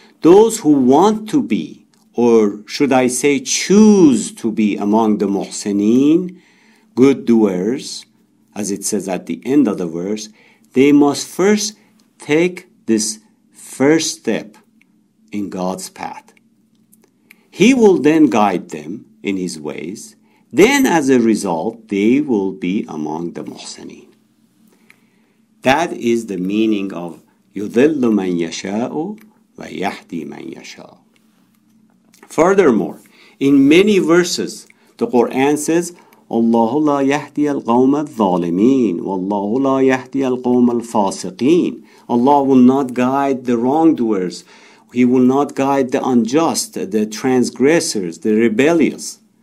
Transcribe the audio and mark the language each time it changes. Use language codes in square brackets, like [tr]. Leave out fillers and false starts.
[en] Those who want to be, or should I say choose to be among the muhsineen, good doers, as it says at the end of the verse, they must first take this first step in God's path. He will then guide them in His ways. Then as a result, they will be among the muhsineen. That is the meaning of [ar] يُذِلُّ مَنْ يَشَاءُ وَيَهْدِي مَنْ يَشَاءُ. [en] Furthermore, in many verses, the Quran says, [ar] اللَّهُ لَا يَهْدِيَ الْقَوْمَ الظَّالِمِينَ وَاللَّهُ لَا يَهْدِيَ الْقَوْمَ الْفَاسِقِينَ. [en] Allah will not guide the wrongdoers. He will not guide the unjust, the transgressors, the rebellious.